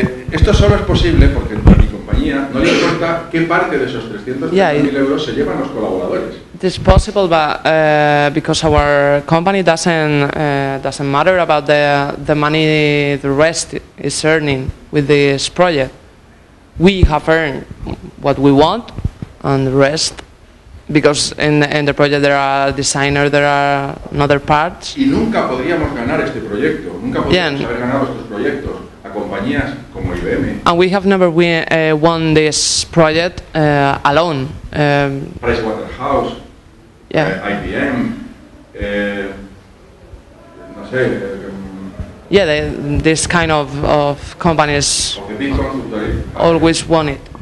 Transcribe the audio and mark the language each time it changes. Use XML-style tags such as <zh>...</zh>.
<es>Esto solo es posible porque a mi compañía no le importa qué parte de esos 300,000 euros se llevan los colaboradores.</es> <en>It is possible, but because our company doesn't matter about the money the rest is earning with this project. We have earned what we want, and the rest, because in the project there are designers, there are another parts.</en> <es>Y nunca podríamos ganar este proyecto, nunca podríamos haber ganado estos proyectos a compañías como IBM.</es> <en>And we have never won this project alone.</en> <es>Pricewaterhouse, IBM, no sé.</es> <en>Yeah, this kind of companies always want it.</en>